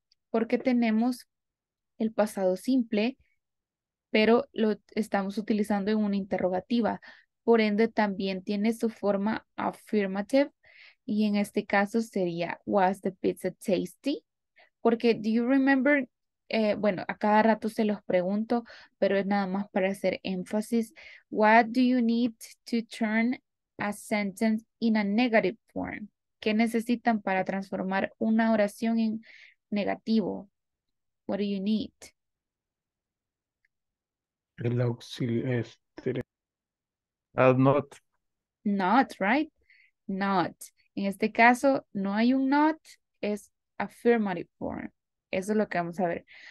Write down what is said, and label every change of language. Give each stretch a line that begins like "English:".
Spanish: Porque tenemos el pasado simple, pero lo estamos utilizando en una interrogativa. Por ende, también tiene su forma affirmative. Y en este caso sería,
English: was the pizza tasty?
Spanish: Porque,
English: do you remember...
Spanish: bueno, a cada rato se los pregunto, pero es nada más para hacer énfasis.
English: What do you need to turn a sentence in a negative form?
Spanish: ¿Qué necesitan para transformar una oración en negativo?
English: What do you need?
Spanish: El auxilio es...
English: Not. Not, right? Not.
Spanish: En este caso, no hay un not, es affirmative form. Eso es lo que vamos a ver.